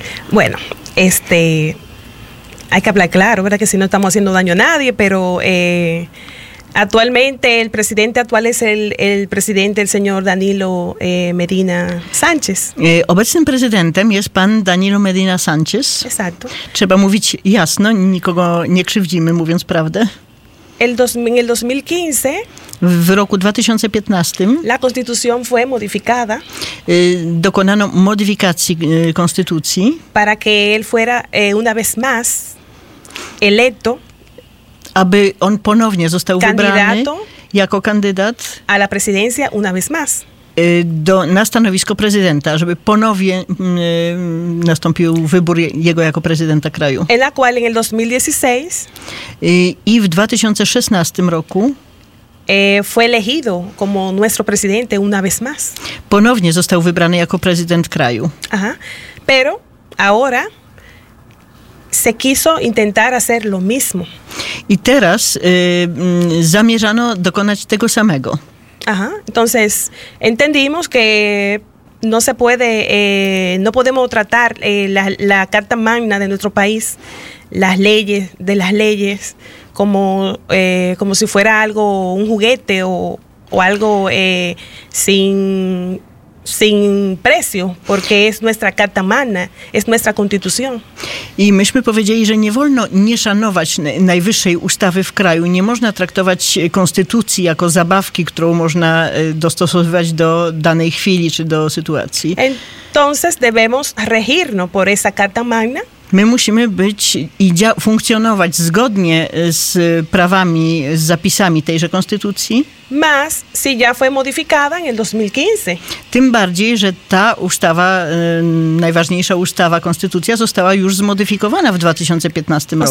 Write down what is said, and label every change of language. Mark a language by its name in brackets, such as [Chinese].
[Spanish] Bueno, hay que hablar claro, ¿verdad? Que si no estamos haciendo daño a nadie, pero... Actualmente el presidente actual es el presidente, el señor Danilo Medina Sánchez. [Polish] Obecnym prezydentem jest pan Danilo Medina Sánchez. [Spanish] Exacto. [Polish] Trzeba mówić jasno, nikogo nie krzywdzimy, mówiąc prawdę. [Spanish] En el 2015, [Polish] w roku 2015, [Spanish] la constitución fue modificada. [Polish] Dokonano modyfikacji konstytucji. [Spanish] Para que él fuera una vez más electo. [Polish] Aby on ponownie został wybrany jako kandydat [Spanish] a la presidencia una vez más. [Polish] Na stanowisko prezydenta, żeby ponownie nastąpił wybór jego jako prezydenta kraju. [Spanish] En la cual en el 2016, [Polish] i w 2016 roku [Spanish] fue elegido como nuestro presidente una vez más. [Polish] Ponownie został wybrany jako prezydent kraju. Aha. [Spanish] Pero ahora se quiso intentar hacer lo mismo. [Polish] I teraz zamierzano dokonać tego samego. [Spanish] Aha, entonces entendimos que no se puede, no podemos tratar la Carta Magna de nuestro país, las leyes, como si fuera algo, un juguete o algo sin precio, porque es nuestra Carta Magna, es nuestra Constitución. [Polish] I myśmy powiedzieli, że nie wolno nie szanować najwyższej ustawy w kraju, nie można traktować konstytucji jako zabawki, którą można dostosowywać do danej chwili czy do sytuacji. [Spanish] Entonces debemos regirnos por esa Carta Magna. [Polish] My musimy być i funkcjonować zgodnie z prawami, z zapisami tejże konstytucji. [Spanish] Más si ya fue modificada en el 2015. [Polish] Tym bardziej, że ta ustawa, najważniejsza ustawa, konstytucja, została już zmodyfikowana w 2015 roku.